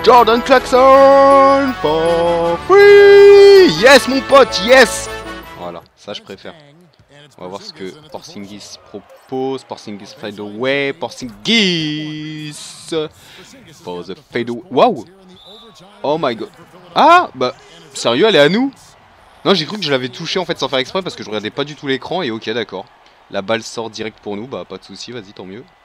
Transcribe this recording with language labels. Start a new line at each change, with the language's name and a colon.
English: Jordan Clarkson for free.
French: Yes, mon pote, yes! Voilà, ça je préfère. On va voir ce que Porzingis propose.
English: Porzingis fade away. Porzingis for the fade away. Waouh. Oh my god.
French: Ah bah, sérieux, elle est à nous. Non, j'ai cru que je l'avais touché en fait sans faire exprès parce que je regardais pas du tout l'écran. Et ok, d'accord. La balle sort direct pour nous. Bah, pas de soucis, vas-y, tant mieux.